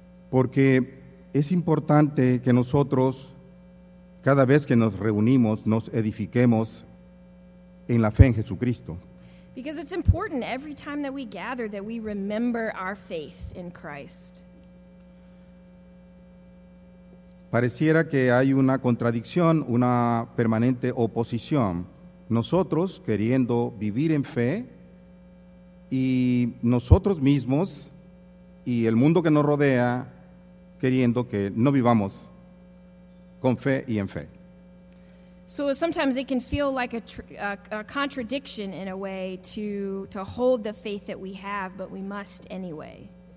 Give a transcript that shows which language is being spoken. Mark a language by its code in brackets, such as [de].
[es] Porque es importante que nosotros, cada vez que nos reunimos, nos edifiquemos en la fe en Jesucristo. [en] Because it's important every time that we gather that we remember our faith in Christ. [es] Pareciera que hay una contradicción, una permanente oposición. Nosotros queriendo vivir en fe y nosotros mismos y el mundo que nos rodea queriendo que no vivamos con fe y en fe. [en] So sometimes it can feel like a contradiction in a way to hold the faith that we have, but we must anyway.